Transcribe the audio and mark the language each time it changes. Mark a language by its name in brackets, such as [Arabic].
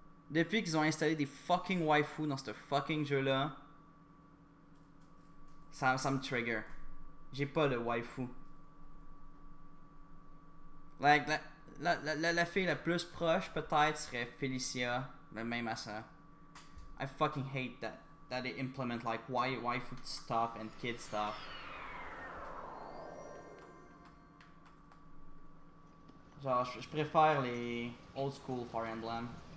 [French] Depuis qu'ils ont installé des fucking waifu dans ce fucking jeu-là, ça me trigger. J'ai pas de waifu. Like, la fille la plus proche, peut-être, serait Felicia, mais même à ça. [English] I fucking hate that they implement, like, waifu stuff and kid stuff. [French] Genre, je préfère les old school Fire Emblem.